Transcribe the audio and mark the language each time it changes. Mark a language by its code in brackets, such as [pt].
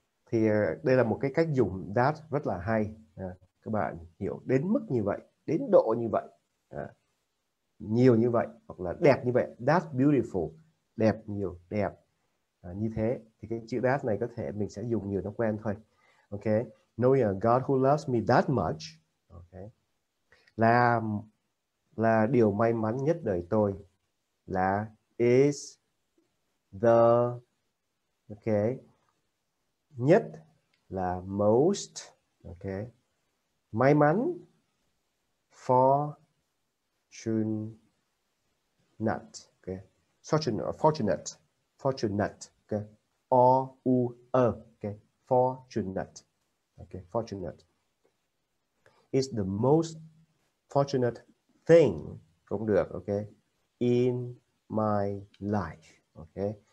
[vi] Thì đây là một cái cách dùng that rất là hay. À, các bạn hiểu đến mức như vậy, đến độ như vậy, à, nhiều như vậy, hoặc là đẹp như vậy, [en] that beautiful, [vi] đẹp nhiều, đẹp à, như thế. Thì cái chữ that này có thể mình sẽ dùng nhiều nó quen thôi. [en] Ok, knowing a God who loves me that much, okay. [vi] Là điều may mắn nhất đời tôi, là [en] is the, [vi] ok, nhất là [en] most, ok, [vi] may mắn [en] for fortunate, ok, fortunate, ok, o u e, ok, fortunate, ok, fortunate is the most fortunate thing [vi] cũng được, [en] ok, in my life, ok.